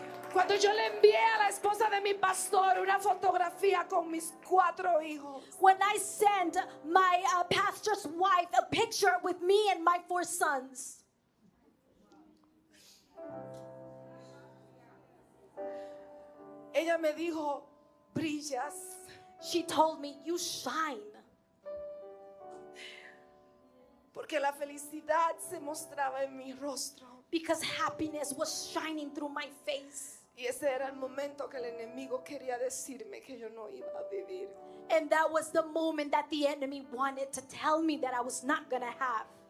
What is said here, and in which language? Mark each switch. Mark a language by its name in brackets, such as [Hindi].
[Spanish] Cuando yo le envié a la esposa de mi pastor una fotografía con mis cuatro hijos. [English] When I sent my pastor's wife a picture with me and my four sons. [Spanish] Ella me dijo, brillas. [English] She told me, you shine. [Spanish] Porque la felicidad se mostraba en mi rostro. [English] Because happiness was shining through my face. [Spanish] Y ese era el momento que el enemigo quería decirme que yo no iba a vivir. [English] And that was the moment that the enemy wanted to tell me that I was not going to have.